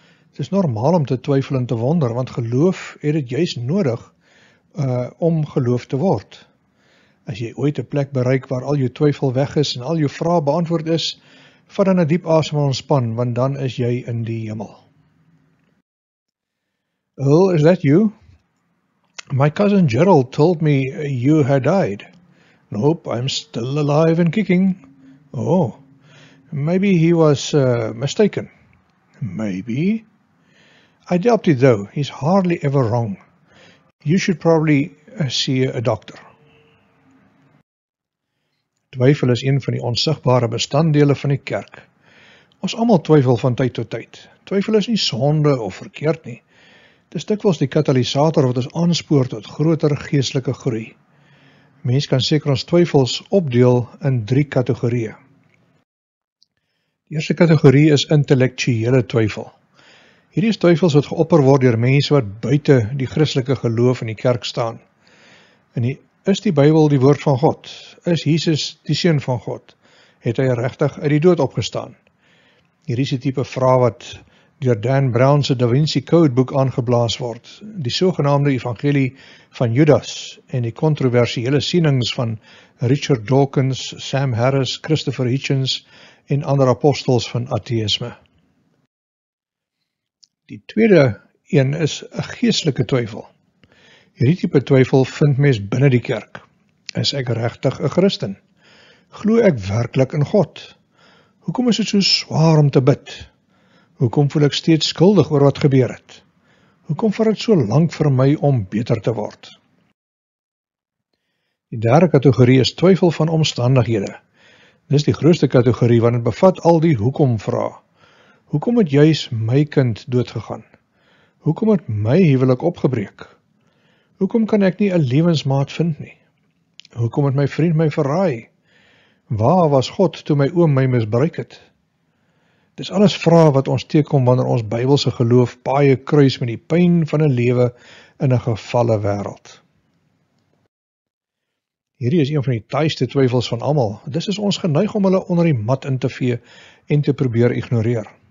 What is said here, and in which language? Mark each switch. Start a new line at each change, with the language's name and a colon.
Afrikaans: Dit is normaal om te twyfel en te wonder, want geloof het dit juist nodig om geloof te word. As jy ooit 'n plek bereik waar al jou twyfel weg is en al jou vrae beantwoord is, vat dan 'n diep asem en ontspan, want dan is jy in die hemel.
English: Well, is that you? My cousin Gerald told me you had died. Nope, I'm still alive and kicking. Oh, maybe he was mistaken. Maybe. I doubt it though. He's hardly ever wrong. You should probably see a doctor.
Afrikaans: Twyfel is een van die onsigbare bestanddele van die kerk. Ons almal twyfel van tyd tot tyd. Twyfel is nie sonde of verkeerd nie. Dit is dikwels die katalisator wat ons aanspoor tot groter geestelike groei. Mens kan seker ons twyfels opdeel in drie kategorieë. Die eerste kategorie is intellektuele twyfel. Hierdie is twyfels wat geopper word deur mense wat buite die Christelike geloof in die kerk staan. Is die Bybel die woord van God? Is Jesus die Seun van God? Het hy regtig uit die dood opgestaan? Hierdie is die tipe vraag wat deur Dan Brown se Da Vinci Code boek aangeblaas word. Die sogenaamde evangelie van Judas en die kontroversiële sienings van Richard Dawkins, Sam Harris, Christopher Hitchens en ander apostels van ateïsme. Die tweede een is 'n geestelike twyfel. Hierdie tipe twyfel vind mens binne die kerk. Is ek regtig 'n Christen? Glo ek werklik in God? Hoekom is dit so swaar om te bid? Hoekom voel ek steeds skuldig oor wat gebeur het? Hoekom vat dit so lank vir my om beter te word? Die derde kategorie is twyfel van omstandighede. Dis die grootste kategorie want dit bevat al die hoekom vrae. Hoekom het juist my kind doodgegaan? Hoekom het my huwelik opgebreek? Hoekom kan ek nie 'n lewensmaat vind nie? Hoekom het my vriend my verraai? Waar was God toe my oom my misbruik het? Dis alles vrae wat ons teekom wanneer ons Bybelse geloof paaie kruis met die pyn van 'n lewe in 'n gevalle wêreld. Hierdie is een van die taaiste twyfels van almal. Dis is ons geneig om hulle onder die mat in te vee en te probeer ignoreer.